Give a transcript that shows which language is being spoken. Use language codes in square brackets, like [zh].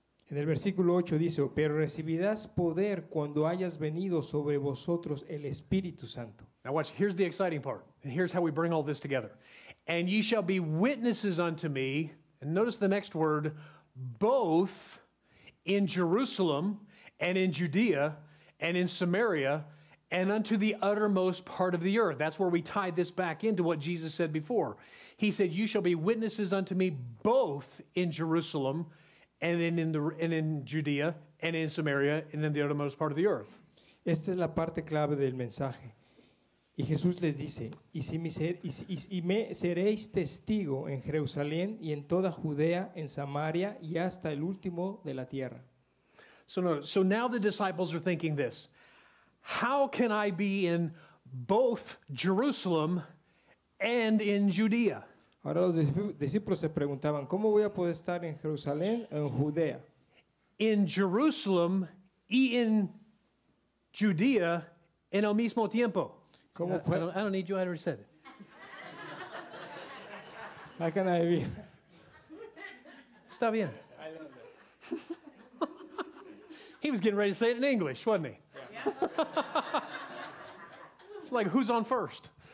[es] En el versículo 8 dice, pero recibirás poder cuando hayas venido sobre vosotros el Espíritu Santo. [en] Now watch, here's the exciting part. And here's how we bring all this together. And ye shall be witnesses unto me. And notice the next word, both in Jerusalem and in Judea and in Samaria and unto the uttermost part of the earth. That's where we tie this back into what Jesus said before. He said, you shall be witnesses unto me both in Jerusalem and in Judea and in Samaria and in the uttermost part of the earth. [es] Esta es la parte clave del mensaje. Y Jesús les dice, y me seréis testigo en Jerusalén y en toda Judea, en Samaria y hasta el último de la tierra. [en] So now the disciples are thinking this. How can I be in both Jerusalem and in Judea? [es] Ahora los discípulos se preguntaban, ¿cómo voy a poder estar en Jerusalén o en Judea? [en] In Jerusalem [es] y [en] in Judea [es] en el mismo tiempo. ¿Cómo puedo? [en] I don't need you, I already said it. How can I be? [es] Está bien. [en] I love that. He was getting ready to say it in English, wasn't he? It's like, who's on first?